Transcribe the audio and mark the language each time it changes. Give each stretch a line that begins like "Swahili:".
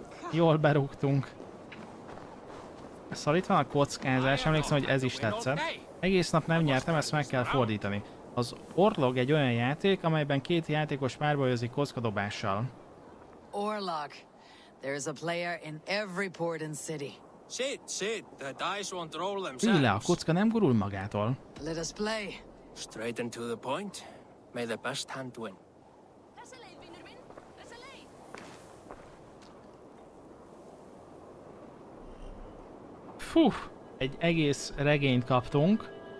Hungarian: Jól berúgtunk. Szóval itt van a kockázás, emlékszem, hogy ez is tetszett. Egész nap nem nyertem, ezt meg kell fordítani. Az Orlog egy olyan játék, amelyben két játékos párbajozik kockadobással. Orlog.
English: There is a player in every port and city. Shit, shit. The dice won't roll themselves.
Hungarian: Üle, a kocka nem gurul magától.
English: Let us play. Straight into the point. May the best hand win.
Hungarian: Fú, egy egész regényt kaptunk.